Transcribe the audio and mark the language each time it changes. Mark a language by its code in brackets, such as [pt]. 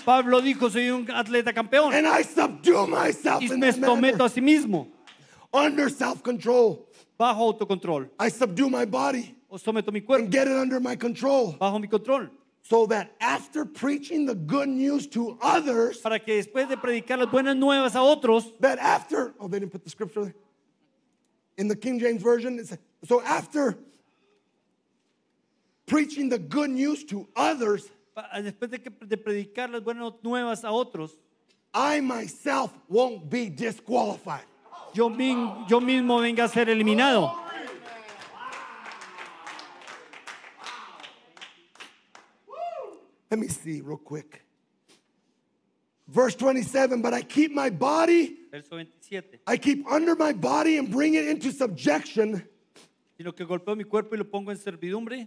[es] Pablo dijo soy un atleta campeón. [en] And I subdue myself [es] in me someto a sí mismo. [en] Under self-control. [es] Bajo autocontrol. [en] I subdue my body. [es] O someto mi cuerpo. [en] And get it under my control. [es] Bajo mi control. [en] So that after preaching the good news to others, [es] para que después de predicar las buenas nuevas a otros, [en] that after, oh, they didn't put the scripture in the King James Version. It's, so after preaching the good news to others, [es] después de predicar las buenas nuevas a otros, [en] I myself won't be disqualified. [es] Yo mismo venga a ser eliminado. [en] Let me see real quick. Verse 27, but I keep my body, [es] verso 27. [en] I keep under my body and bring it into subjection, [es] sino que golpeo mi cuerpo y lo pongo en servidumbre,